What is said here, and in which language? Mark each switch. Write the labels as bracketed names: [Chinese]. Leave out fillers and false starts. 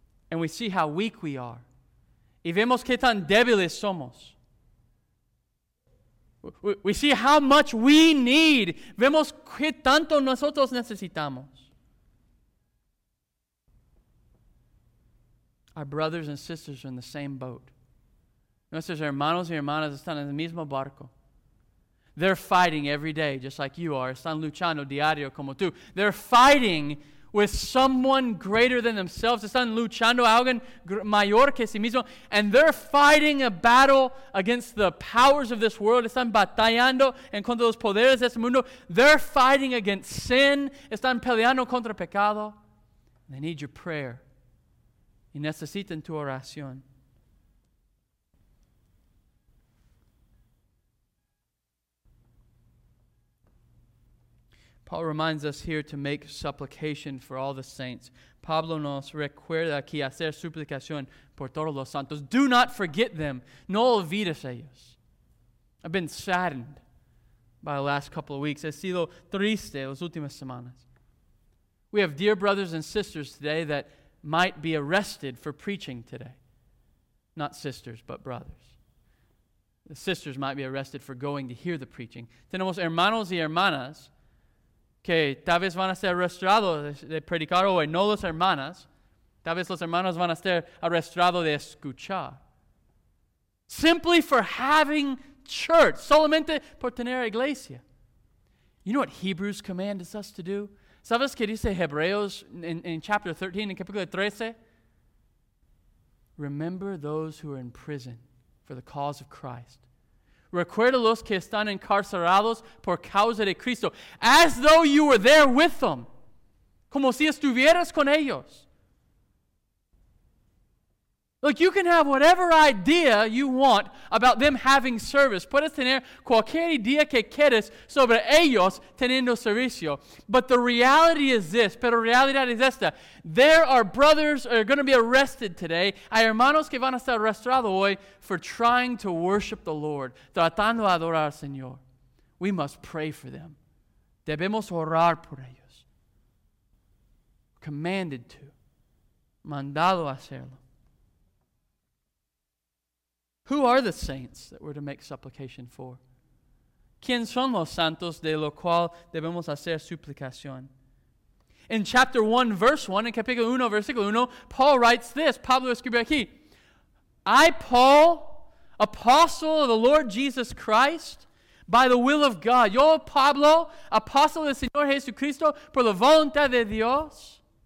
[English] And we see how weak we are. [Spanish] Y vemos qué tan débiles somos. [English] We see how much we need. [Spanish] Vemos qué tanto nosotros necesitamos. [English] Our brothers and sisters are in the same boat. [Spanish] Nuestros hermanos y hermanas están en el mismo barco. [English] They're fighting every day, just like you are. [Spanish] Están luchando diario como tú. [English] They're fighting with someone greater than themselves. [Spanish] Están luchando a alguien mayor que sí mismo. [English] And they're fighting a battle against the powers of this world. [Spanish] Están batallando en contra los poderes de este mundo. [English] They're fighting against sin. [Spanish] Están peleando contra pecado. [English] They need your prayer. [Spanish] Y necesitan tu oración. [English] Paul reminds us here to make supplication for all the saints. [Spanish] Pablo nos recuerda aquí hacer suplicación por todos los santos. [English] Do not forget them. [Spanish] No olvides ellos. [English] I've been saddened by the last couple of weeks. [Spanish] He sido triste las últimas semanas. [English] We have dear brothers and sisters today that might be arrested for preaching today. Not sisters, but brothers. The sisters might be arrested for going to hear the preaching. [Spanish] Tenemos hermanos y hermanas que tal vez van a ser arrestados de predicar hoy. No las hermanas. Tal vez los hermanos van a ser arrestados de escuchar. [English] Simply for having church. [Spanish] Solamente por tener iglesia. [English] You know what Hebrews commands us to do? [Spanish] ¿Sabes qué dice Hebreos [English] in chapter 13, [Spanish] in capítulo 13? [English] Remember those who are in prison for the cause of Christ. [Spanish] Recuerda los que están encarcelados por causa de Cristo. [English] As though you were there with them. [Spanish] Como si estuvieras con ellos. [English] Look, you can have whatever idea you want about them having service. [Spanish] Puedes tener cualquier idea que quieras sobre ellos teniendo servicio. [English] But the reality is this, [Spanish] pero realidad es esta. [English] There are brothers who are going to be arrested today. [Spanish] Hay hermanos que van a estar arrestados hoy [English] for trying to worship the Lord. [Spanish] Tratando de adorar al Señor. [English] We must pray for them. [Spanish] Debemos orar por ellos. [English] Commanded to. [Spanish] Mandado a hacerlo. [English] Who are the saints that we're to make supplication for? [Spanish] ¿Quién son los santos de lo cual debemos hacer suplicación? [English] In chapter 1, verse 1, [Spanish] in capítulo 1, versículo 1, [English] Paul writes this. [Spanish] Pablo escribe aquí. [English] I, Paul, apostle of the Lord Jesus Christ, by the will of God. [Spanish] Yo, Pablo, apóstol del Señor Jesucristo, por la voluntad de Dios.